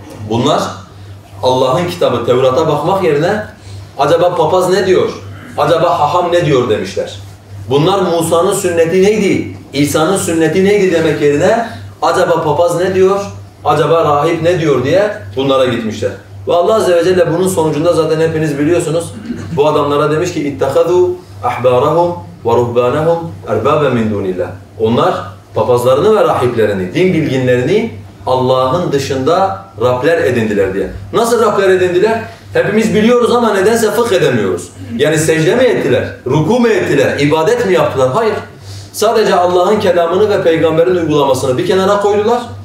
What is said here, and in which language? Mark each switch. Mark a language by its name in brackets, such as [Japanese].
[Turkish] Bunlar Allah'ın kitabı Tevrat'a bakmak yerine acaba papaz ne diyor, acaba haham ne diyor demişler. Bunlar Musa'nın sünneti neydi, İsa'nın sünneti neydi demek yerine acaba papaz ne diyor, acaba rahip ne diyor diye bunlara gitmişler. Ve Allah Azze ve Celle bunun sonucunda zaten hepiniz biliyorsunuz. Bu adamlara demiş ki [Arabic] اِتَّخَذُوا اَحْبَارَهُمْ وَرُهْبَانَهُمْ اَرْبَابًا مِنْ دُونِ اللّٰهِ. [Turkish] Onlar papazlarını ve rahiplerini, din bilginlerini Allah'ın dışında Rabler edindiler diye. Nasıl Rabler edindiler? Hepimiz biliyoruz ama nedense fıkh edemiyoruz. Yani secde mi ettiler? Ruku mu ettiler? İbadet mi yaptılar? Hayır. Sadece Allah'ın kelamını ve Peygamber'in uygulamasını bir kenara koydular.